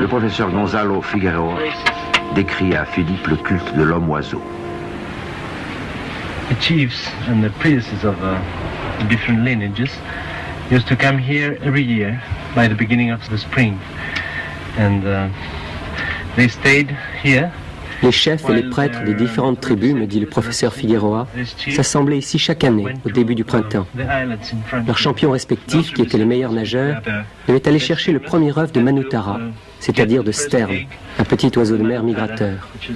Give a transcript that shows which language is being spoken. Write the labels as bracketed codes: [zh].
[fr] Le professeur Gonzalo Figueroa décrit à Philippe le culte de l'homme oiseau. [en] The chiefs and the priests of different lineages used to come here every year by the beginning of the spring, and they stayed here. [fr] Les chefs et les prêtres des différentes tribus, me dit le professeur Figueroa, s'assemblaient ici chaque année, au début du printemps. Leur champion respectif, qui était le meilleur nageur, devait aller chercher le premier œuf de Manutara, c'est-à-dire de stern, un petit oiseau de mer migrateur.